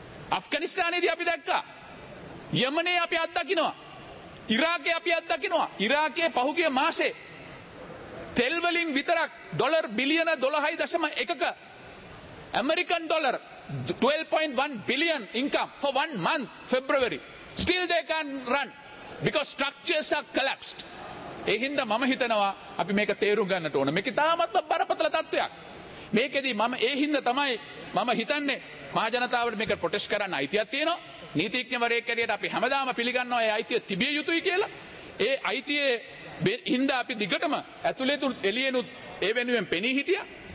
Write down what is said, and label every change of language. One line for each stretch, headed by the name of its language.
Sinhala: අෆ්ගනිස්තානයේදී අපි දැක්කා. යෙමනේ අපි අත්දකින්නවා. ඉරාකේ අපි අත්දකින්නවා. ඉරාකේ පහුගිය මාසේ තෙල් වලින් විතරක් ඩොලර් බිලියන 12.1ක American dollar
English: 12.1 billion income for one month, February. Still they can't run because structures are collapsed.
Sinhala: ඒ හින්දා මම හිතනවා අපි මේක තේරුම් ගන්නට ඕන. මේක තාමත්ම බරපතල තත්වයක්. මේකෙදී මම ඒ හින්දා තමයි මම හිතන්නේ මහ ජනතාවට මේක ප්‍රොටෙස්ට් කරන්න අයිතියක් තියෙනවා. නීතිඥවරයෙක් හැටියට අපි හැමදාම පිළිගන්නවා ඒ අයිතිය තිබිය යුතුයි කියලා. ඒ අයිතියේ හින්දා අපි දිගටම ඇතුළේත් එළියෙනුත් ඒ වෙනුවෙන් පෙනී හිටියා.